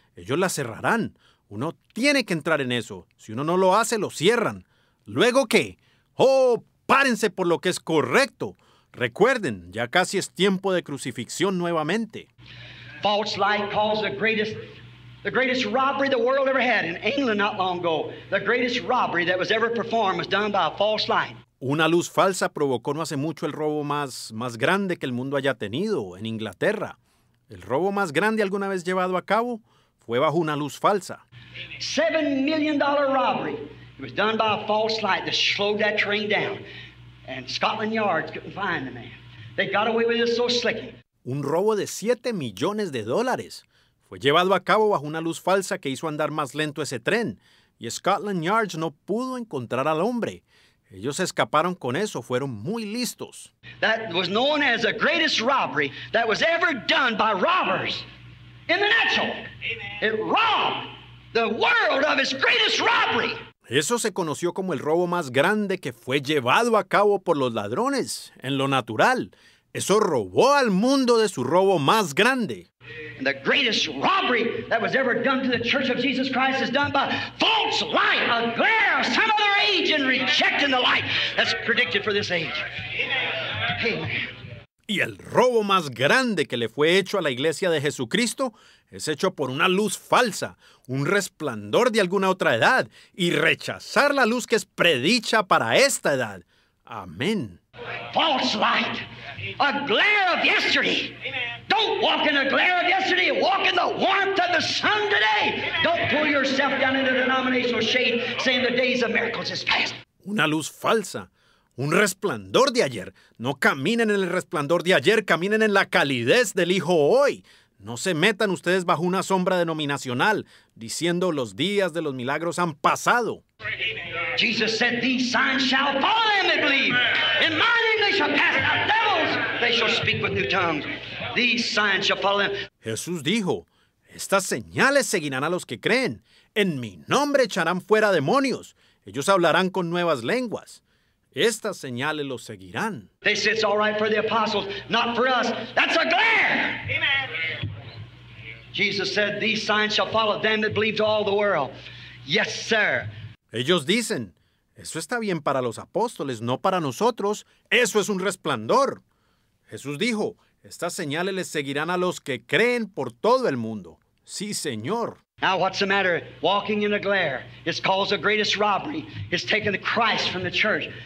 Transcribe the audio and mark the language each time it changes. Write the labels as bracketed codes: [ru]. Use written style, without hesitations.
[es] Ellos la cerrarán. Uno tiene que entrar en eso. Si uno no lo hace, lo cierran. ¿Luego qué? ¡Oh, párense por lo que es correcto! Recuerden, ya casi es tiempo de crucifixión nuevamente. [en] False light caused the greatest robbery the world ever had in England not long ago. The greatest robbery that was ever performed was done by a false light. [es] Una luz falsa provocó no hace mucho el robo más grande que el mundo haya tenido en Inglaterra. El robo más grande alguna vez llevado a cabo fue bajo una luz falsa. [en] $7 million robbery. It was done by a false light that slowed that train down. And Scotland Yard couldn't find the man. They got away with it so slicky. [es] un robo de 7 millones de dólares. Fue llevado a cabo bajo una luz falsa que hizo andar más lento ese tren, y Scotland Yard no pudo encontrar al hombre. Ellos se escaparon con eso, fueron muy listos. [en] That was known as the greatest robbery that was ever done by robbers in the natural. It robbed the world of its greatest robbery. [es] Eso se conoció como el robo más grande que fue llevado a cabo por los ladrones en lo natural. Eso robó al mundo de su robo más grande. [en] The greatest robbery that was ever done to the Church of Jesus Christ is done by false light, a glare of some other age and rejecting the light that's predicted for this age. Amen. [es] Y el robo más grande que le fue hecho a la iglesia de Jesucristo es hecho por una luz falsa, un resplandor de alguna otra edad, y rechazar la luz que es predicha para esta edad. Amén. [en] False light, a glare of yesterday. Don't walk in the glare of yesterday. Walk in the warmth of the sun today. Don't pull yourself down into denominational shade, saying the days of miracles is past. [es] Una luz falsa, un resplandor de ayer. No caminen en el resplandor de ayer, caminen en la calidez del Hijo hoy. No se metan ustedes bajo una sombra denominacional, diciendo los días de los milagros han pasado. [en] Jesus said, these signs shall follow them that believe. In my name they shall cast out devils. They shall speak with new tongues. These signs shall follow them. [es] Jesús dijo, estas señales seguirán a los que creen. En mi nombre echarán fuera demonios. Ellos hablarán con nuevas lenguas. Estas señales los seguirán. [en] They said, it's all right for the apostles, not for us. That's a glare. Amen. Jesus said, these signs shall follow them that believe to all the world. Yes, sir. [es] Ellos dicen, eso está bien para los apóstoles, no para nosotros. Eso es un resplandor. Jesús dijo, estas señales les seguirán a los que creen por todo el mundo. Sí, Señor. [en] Now, what's the matter? Walking in a glare. It's called the greatest robbery. It's taken the Christ from the church.